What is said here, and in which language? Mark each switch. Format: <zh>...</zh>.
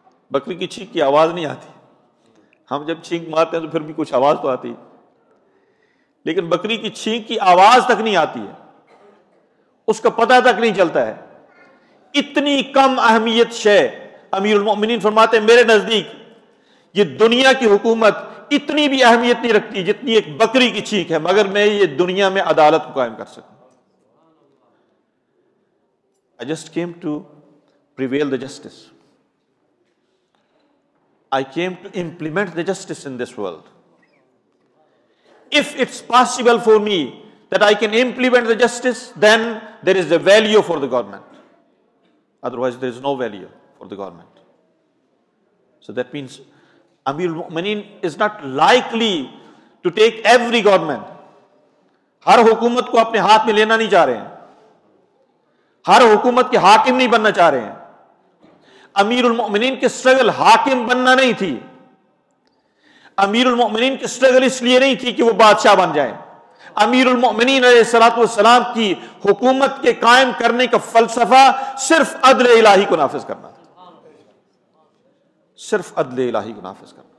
<ur>بکری کی چھینک کی آواز نہیں آتی، ہم جب چھینک مارتے ہیں تو پھر بھی کچھ آواز تو آتی ہے، لیکن بکری کی چھینک کی آواز تک نہیں آتی ہے، اس کا پتہ تک نہیں چلتا ہے، اتنی کم اہمیت شے. امیر المومنین فرماتے ہیں میرے نزدیک یہ دنیا کی حکومت اتنی بھی اہمیت نہیں رکھتی جتنی ایک بکری کی چھینک ہے، مگر میں یہ دنیا میں عدالت کو قائم کر سکوں.</ur> <en>I just came to prevail the justice. I came to implement the justice in this world. If it's possible for me that I can implement the justice, then there is a value for the government. Otherwise, there is no value for the government. So that means Amir al-Mu'mineen is not likely to take every government.</en> <ur>Har hukumat ko apne haath mein lena nahi cha rahe hain. ہر حکومت کے حاکم نہیں بننا چاہ رہے ہیں. امیر المومنین کی سٹرگل حاکم بننا نہیں تھی، امیر المومنین کی سٹرگل اس لیے نہیں تھی کہ وہ بادشاہ بن جائیں. امیر المومنین علیہ الصلوۃ والسلام کی حکومت کے قائم کرنے کا فلسفہ صرف عدل الہی کو نافذ کرنا تھا، صرف عدل الہی کو نافذ کرنا.</ur>